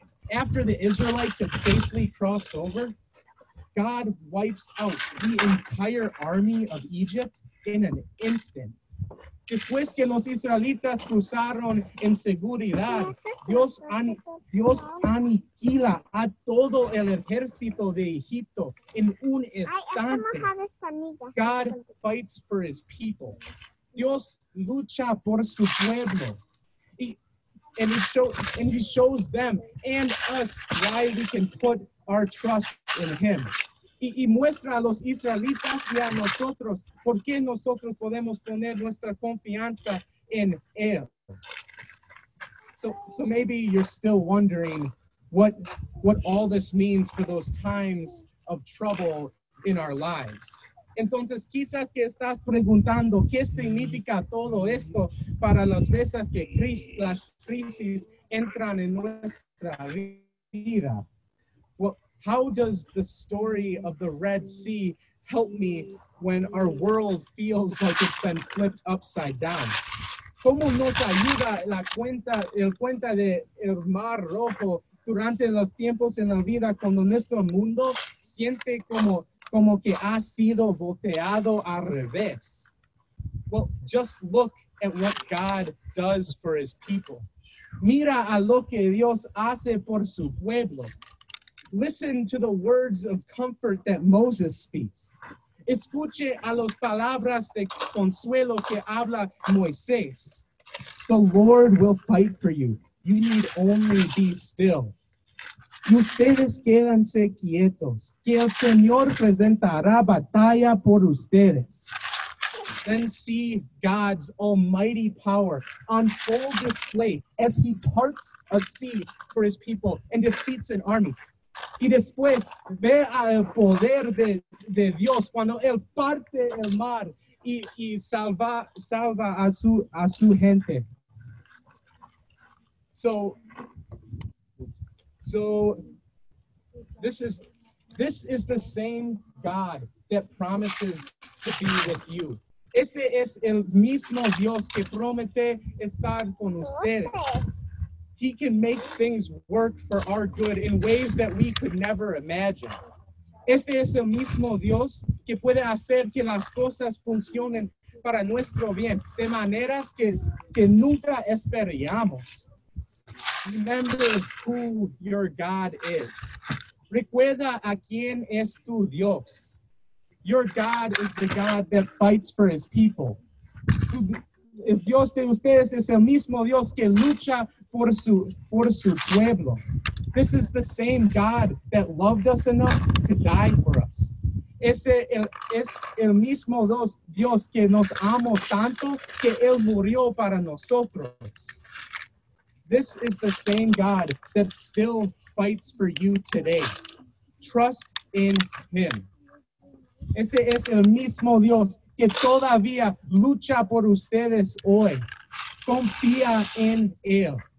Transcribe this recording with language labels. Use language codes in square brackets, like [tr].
[en] After the Israelites had safely crossed over, God wipes out the entire army of Egypt in an instant. [es] Después que los israelitas cruzaron en seguridad, Dios aniquila a todo el ejército de Egipto en un instante. [en] God fights for his people. [es] Dios lucha por su pueblo. [en] He shows them and us why we can put our trust in him. [es] y muestra a los israelitas y a nosotros por qué nosotros podemos poner nuestra confianza en él. [en] So maybe you're still wondering what all this means for those times of trouble in our lives. [es] Entonces quizás que estás preguntando qué significa todo esto para las veces que las crisis entran en nuestra vida. [en] Well, how does the story of the Red Sea help me when our world feels like it's been flipped upside down? [es] ¿Cómo nos ayuda la cuenta, el cuenta de el Mar Rojo durante los tiempos en la vida cuando nuestro mundo siente como que ha sido volteado al revés? [en] Well, just look at what God does for his people. [es] Mira a lo que Dios hace por su pueblo. [en] Listen to the words of comfort that Moses speaks. [es] Escuche a las palabras de consuelo que habla Moisés. [en] The Lord will fight for you. You need only be still. [es] Y ustedes quédense quietos, que el Señor presentará batalla por ustedes. [en] Then see God's almighty power on full display as he parts a sea for his people and defeats an army. [es] Y después ve al poder de Dios cuando él parte el mar y salva a su gente. [en] So this is the same God that promises to be with you. [es] Ese es el mismo Dios que promete estar con ustedes. [en] He can make things work for our good in ways that we could never imagine. [es] Este es el mismo Dios que puede hacer que las cosas funcionen para nuestro bien de maneras que nunca esperamos. [en] Remember who your God is. [es] Recuerda a quién es tu Dios. [en] Your God is the God that fights for his people. [es] El Dios de ustedes es el mismo Dios que lucha por su pueblo. [en] This is the same God that loved us enough to die for us. [es] Es el mismo Dios que nos amó tanto que él murió para nosotros. [en] This is the same God that still fights for you today. Trust in him. [es] Ese es el mismo Dios que todavía lucha por ustedes hoy. Confía en él.